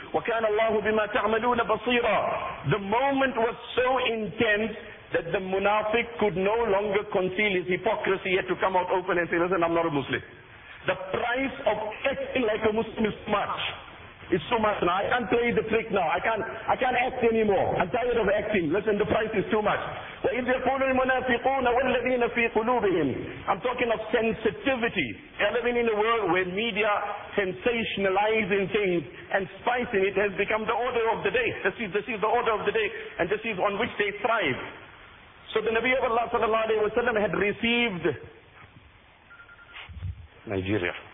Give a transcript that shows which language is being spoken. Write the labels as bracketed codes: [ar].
[ar] وَكَانَ اللَّهُ بِمَا تَعْمَلُونَ بَصِيرًا [en] The moment was so intense, that the munafiq could no longer conceal his hypocrisy, he had to come out open and say, listen, I'm not a Muslim. The price of acting like a Muslim is too much. It's too much now. I can't play the trick now. I can't act anymore. I'm tired of acting. Listen, the price is too much. [ar] وَإِذْ يَقُولُ الْمُنَافِقُونَ وَالَّذِينَ فِي قُلُوبِهِمْ [en] I'm talking of sensitivity. We're living in a world where media sensationalizing things and spicing it has become the order of the day. This is the order of the day, and this is on which they thrive. So the Nabi of Allah sallallahu alayhi wa sallam had received Nigeria.